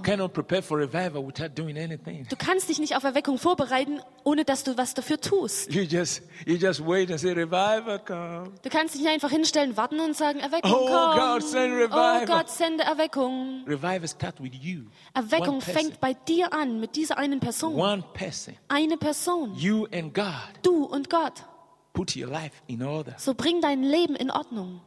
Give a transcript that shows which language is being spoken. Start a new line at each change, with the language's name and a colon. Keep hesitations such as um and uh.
English: cannot prepare for revival without doing anything.
German: Du kannst dich nicht auf Erweckung vorbereiten, ohne dass du was dafür tust.
English: You just, you just wait and say, come.
German: Du kannst dich nicht einfach hinstellen, warten und sagen, Erweckung kommt. oh komm, Gott, sende oh, send Erweckung.
English: With you,
German: Erweckung fängt bei dir an, mit dieser einen person. Eine Person.
English: You and God.
German: Du und Gott.
English: Put your life in order.
German: So bring dein Leben in Ordnung.